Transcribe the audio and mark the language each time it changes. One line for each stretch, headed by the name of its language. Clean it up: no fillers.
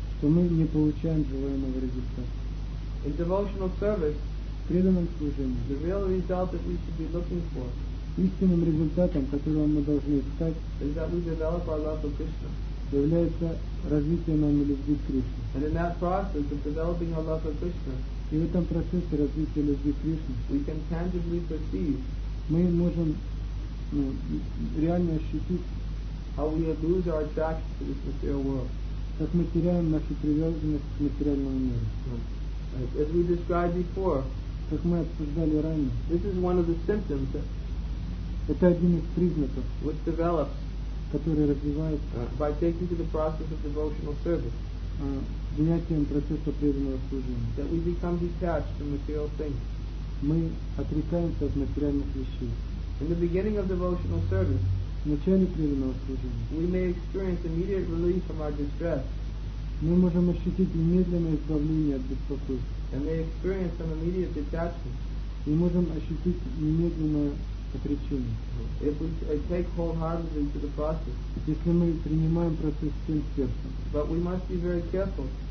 Russian: что мы не получаем желаемого результата.
English: In devotional service,
Russian: преданном служении,
English: the real result that we should be looking for,
Russian: истинным результатом, которого мы должны искать,
English: is that we develop our love for Krishna,
Russian: является развитие нами любви к Кришне.
English: And in that process of developing our love for Krishna,
Russian: и в этом процессе развития любви к Кришне,
English: we can tangibly perceive,
Russian: мы можем реально ощутить,
English: how we lose our attraction to this material world,
Russian: как мы теряем нашу привязанность к материальному миру.
English: As we described before,
Russian: как мы обсуждали ранее,
English: this is one of the symptoms,
Russian: это один из признаков,
English: which develops,
Russian: который развивается,
English: by taking to the process of devotional service,
Russian: принятием процесса преданного служения,
English: that we become detached from material things,
Russian: мы отрекаемся от материальных вещей.
English: In the beginning of devotional service,
Russian: в начале преданного служения,
English: we may experience immediate relief from our distress,
Russian: мы можем ощутить немедленное избавление от беспокойства.
English: And they experience an immediate detachment.
Russian: Мы можем ощутить немедленное отречение.
English: If we take wholeheartedly to the process.
Russian: Если мы принимаем процесс всем сердцем.
English: But we must be very careful.